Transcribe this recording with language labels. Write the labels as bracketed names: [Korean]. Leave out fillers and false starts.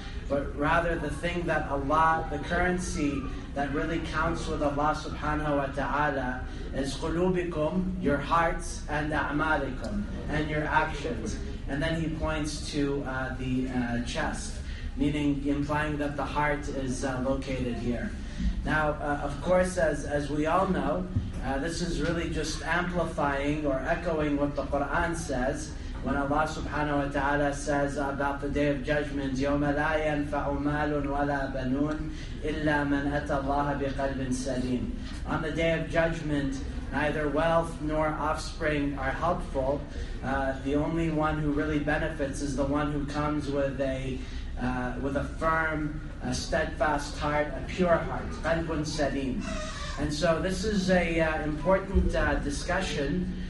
[English] But rather the thing that Allah, the currency that really counts with Allah subhanahu wa ta'ala is qulubikum, your hearts, and a'malikum, and your actions. And then he points to the chest, meaning implying that the heart is located here. Now, of course, as we all know, this is really just amplifying or echoing what the Qur'an says. When Allah subhanahu wa ta'ala says about the Day of Judgment, [Arabic] يَوْمَ لَا يَنْفَعُ مَالٌ وَلَا بَنُونَ إِلَّا مَنْ أَتَى اللَّهَ بِقَلْبٍ سَلِيمٍ. [English] On the Day of Judgment, neither wealth nor offspring are helpful. The only one who really benefits is the one who comes with a firm, a steadfast heart, a pure heart, [Arabic] قَلْبٌ سَلِيمٌ. [English] And so this is a important discussion.